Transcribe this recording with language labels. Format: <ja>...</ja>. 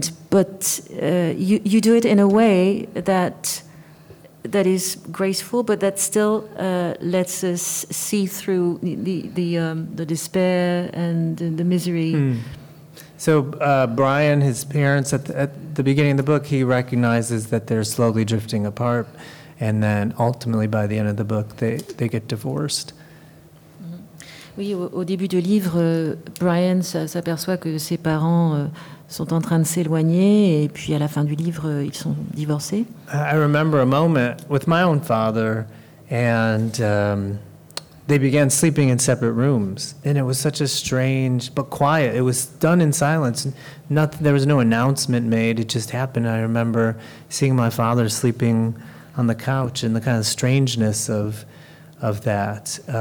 <en>But you do it in a way that is graceful, but that still lets us see through the despair and the misery. Mm. So Brian, his parents, at the beginning of the book, he recognizes that they're slowly drifting apart. And then ultimately, by the end of the book, they get divorced.</en> <fr>Oui, au début du livre, Brian s'aperçoit que ses parents sont en train de s'éloigner, et puis à la fin du livre, ils sont divorcés.</fr> <en>I remember a moment with my own father, and they began sleeping in separate rooms, and it was such a strange, but quiet. It was done in silence. There was no announcement made. It just happened. I remember seeing my father sleeping on the couch and the kind of strangeness of that.</en>